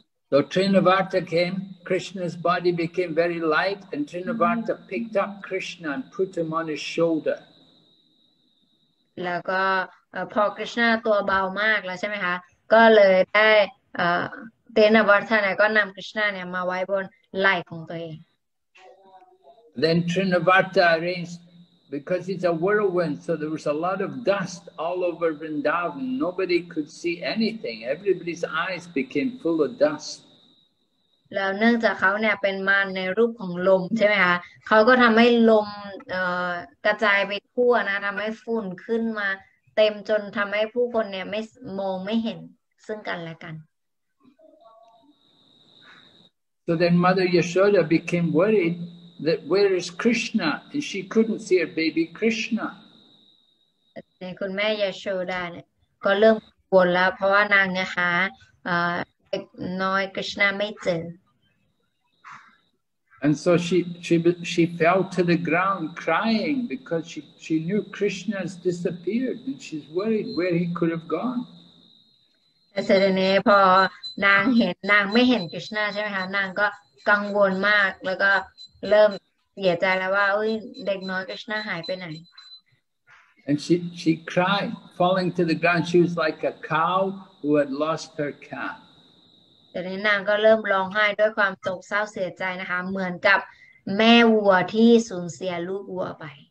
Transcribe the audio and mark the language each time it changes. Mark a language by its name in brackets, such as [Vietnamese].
[English] So Trnavarta came, Krishna's body became very light and Trnavarta picked up Krishna and put him on his shoulder. [Thai] แล้วก็พอ Krishna ตัวเบามากแล้วใช่ไหมคะก็เลยได้Trnavarta เนี่ยก็นำ Krishna เนี่ยมาไว้บนไหล่ของตัวเอง [English] Then Trnavarta arrangedBecause it's a whirlwind, so there was a lot of dust all over Vrindavan. Nobody could see anything. Everybody's eyes became full of dust. [Thai] แล้วเนื่องจากเขาเนี่ยเป็นมารในรูปของลมใช่ไหมคะเขาก็ทำให้ลมกระจายไปทั่วนะทำให้ฝุ่นขึ้นมาเต็มจนทำให้ผู้คนเนี่ยไม่มองไม่เห็นซึ่งกันและกัน [English] So then Mother Yashoda became worried. That where is Krishna? And she couldn't see her baby Krishna. [Thai] คุณแม่ Yashoda เนี่ยก็เริ่มกลัวแล้วเพราะว่านางเนี่ยหาเด็กน้อย Krishna ไม่เจ [English] อ And so she fell to the ground crying because she knew Krishna has disappeared and she's worried where he could have gone. [Thai] แต่เสร็จนี้พอนางเห็นนางไม่เห็น Krishna ใช่ไหมคะนางก็กังวลมากแล้วก็เริ่มเสียใจแล้วว่าเด็กน้อยคริชนาหายไปไหน [English] And she cried falling to the ground she was like a cow who had lost her calf [Thai] แต่นี้นางก็เริ่มร้องไห้ด้วยความโศกเศร้าเสียใจนะคะเหมือนกับแม่วัวที่สูญเสียลูกวัวไป